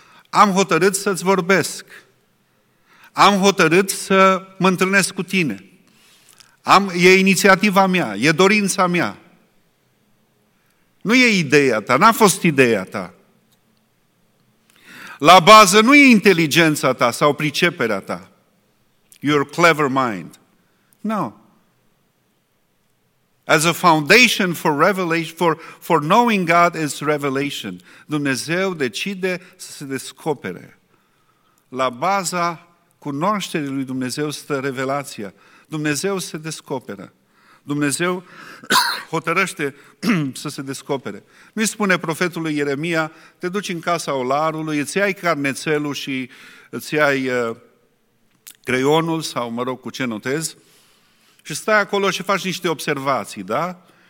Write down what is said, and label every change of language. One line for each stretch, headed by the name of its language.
Romanian: Am hotărât să-ți vorbesc. Am hotărât să mă întâlnesc cu tine. E inițiativa mea, e dorința mea. Nu e ideea ta, n-a fost ideea ta. La bază nu e inteligența ta sau priceperea ta.
English: Your clever mind. No. As a foundation for revelation, for knowing God is revelation.
Romanian: Dumnezeu decide să se descopere. La baza cunoașterii lui Dumnezeu stă revelația. Dumnezeu se descoperă. Dumnezeu hotărăște să se descopere. Nu-i spune profetului Ieremia, te duci în casa olarului, îți iai carnețelul și îți iai creionul sau, mă rog, cu ce notezi, și stai acolo și faci niște observații, da?